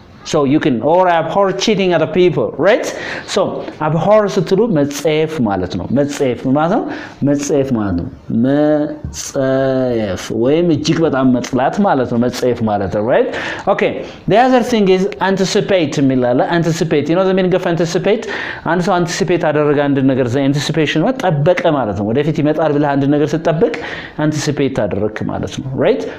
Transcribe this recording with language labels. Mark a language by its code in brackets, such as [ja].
[en] so you can or I abhor cheating other people, right? [am] so abhor ስትሉ መጽፍ ማለት ነው. መጽፍ ማለት ነው, መጽፍ ማለት ነው, መጽፍ ወይም እጅግ በጣም መጥላት ማለት ነው. መጽፍ ማለት ነው, right? [en] okay. the other thing is anticipate ሚላለ. anticipate you know the meaning of anticipate? [am] አንድ ሰው anticipate አደረገ አንድ ነገር, ዘ anticipation ማለት ጠበቀ ማለት ነው. ወደፊት ይመጣል ብለህ አንድ ነገር ስትጠብቅ anticipate አደረክ ማለት ነው, right?